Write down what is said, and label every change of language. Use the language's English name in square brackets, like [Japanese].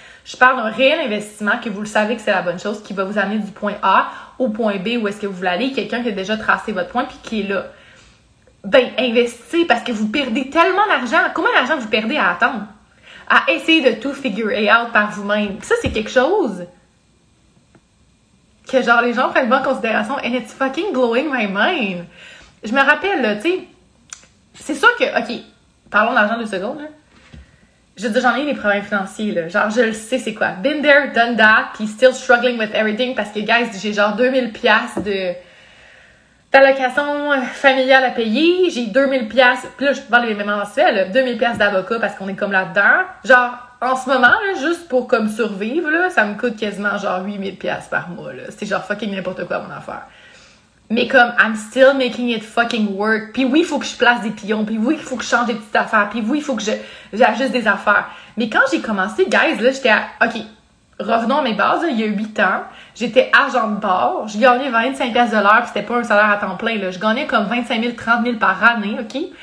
[French] Je parle d'un réel investissement que vous le savez que c'est la bonne chose qui va vous amener du point A au point B où est-ce que vous voulez aller. Quelqu'un qui a déjà tracé votre point puis qui est là. Ben, investissez parce que vous perdez tellement d'argent. Combien d'argent vous perdez à attendre? à essayer de tout [English] figure out [French] par vous-même. Ça, c'est quelque chose que, genre, les gens prennent pas en considération. [English] And it's fucking blowing my mind. [French] Je me rappelle, là, tu sais, c'est sûr que, OK, parlons d'argent deux secondes, là. J'ai déjà eu des problèmes financiers, là. Genre, je le sais, c'est quoi. [English] Been there, done that, [French] pis [English] still struggling with everything, [French] parce que, guys, j'ai genre 2000$ d'allocation familiale à payer, j'ai 2000$, pis là, je parle les mêmes mensuels, là, 2000$ d'avocat, parce qu'on est comme là-dedans. Genre, en ce moment, là, juste pour comme survivre, là, ça me coûte quasiment genre 8000$ par mois, là. C'est genre fucking n'importe quoi, mon affaire. Mais comme, [English] I'm still making it fucking work. [French] Puis oui, il faut que je place des pions. Puis oui, il faut que je change des petites affaires. Puis oui, il faut que j'ajuste des affaires. Mais quand j'ai commencé, guys, là, j'étais à... OK, revenons à mes bases, là. Il y a 8 ans, j'étais agent de bord. Je gagnais 25$ de l'heure, puis c'était pas un salaire à temps plein, là. Je gagnais comme 25 000, 30 000 par année, OK?